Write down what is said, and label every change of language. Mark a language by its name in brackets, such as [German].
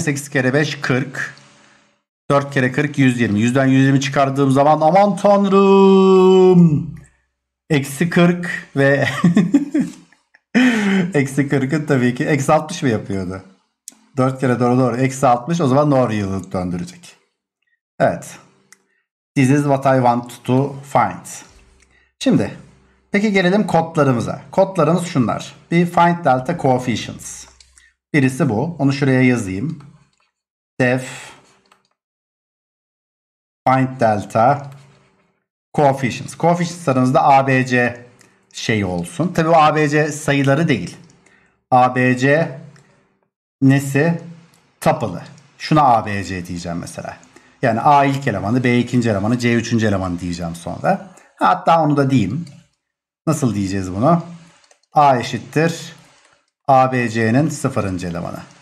[Turkish] 8 kere 5 40. 4 kere 40 120. 100'den 120 çıkardığım zaman aman tanrım! Eksi 40 ve eksi 40'ın tabii ki eksi 60 mı yapıyordu? 4 kere doğru. Eksi 60 o zaman no real'ı döndürecek. Evet. [English] This is what I want to find. [Turkish] Şimdi peki gelelim kodlarımıza. Kodlarımız şunlar. Bir [English] find delta coefficients. [Turkish] Birisi bu. Onu şuraya yazayım. [English] Def find delta coefficients. [Turkish] Coefficientlarımız da ABC şey olsun. Tabii bu ABC sayıları değil. ABC nesi? Tuple'ı. Şuna ABC diyeceğim mesela. Yani A ilk elemanı, B ikinci elemanı, C üçüncü elemanı diyeceğim sonra. Hatta onu da diyeyim. Nasıl diyeceğiz bunu? A eşittir ABC'nin sıfırıncı elemanı.